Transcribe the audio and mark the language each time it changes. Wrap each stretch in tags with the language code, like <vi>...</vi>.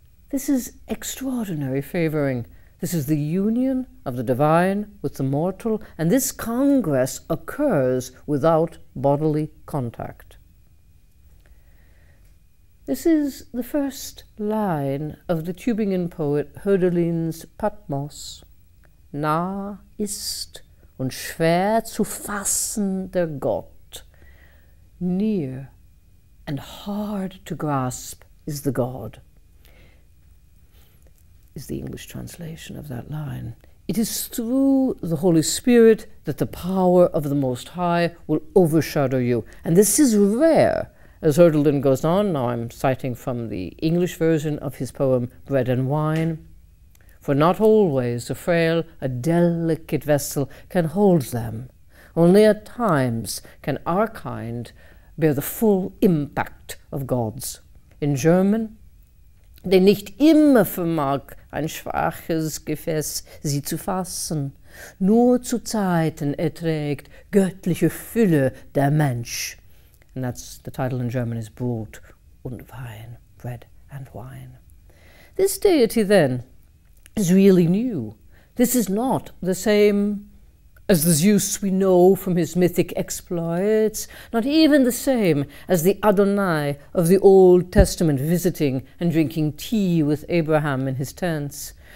<en>This is extraordinary favoring. This is the union of the divine with the mortal, and this congress occurs without bodily contact. This is the first line of the Tübingen poet Hödelin's Patmos.</en> <de>Nah ist und schwer zu fassen der Gott.</de> <en>Near and hard to grasp is the God, is the English translation of that line. It is through the Holy Spirit that the power of the Most High will overshadow you. And this is rare, as Hödelin goes on. Now I'm citing from the English version of his poem, Bread and Wine. For not always a frail, a delicate vessel can hold them. Only at times can our kind bear the full impact of God's. In German,</en> <de>der nicht immer vermag, ein schwaches Gefäß sie zu fassen, nur zu Zeiten erträgt göttliche Fülle der Mensch.</de> <en>And that's the title in German is Brot und Wein, Bread and Wine. This deity then is really new. This is not the same as the Zeus we know from his mythic exploits, not even the same as the Adonai of the Old Testament visiting and drinking tea with Abraham in his tents.</en>